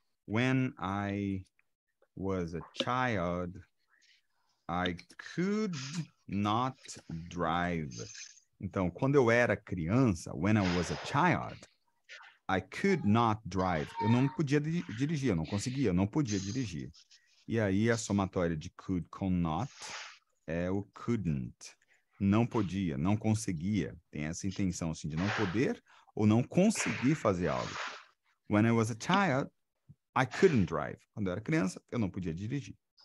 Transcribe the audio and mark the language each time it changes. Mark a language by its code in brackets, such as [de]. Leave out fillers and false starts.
[en] When I was a child, I could not drive. [pt] Então, quando eu era criança, [en] when I was a child, I could not drive. [pt] Eu não podia dirigir, eu não conseguia, eu não podia dirigir. E aí, a somatória de could com not é o couldn't. Não podia, não conseguia. Tem essa intenção assim de não poder ou não conseguir fazer algo. [en] When I was a child, I couldn't drive. [pt] Quando eu era criança, eu não podia dirigir.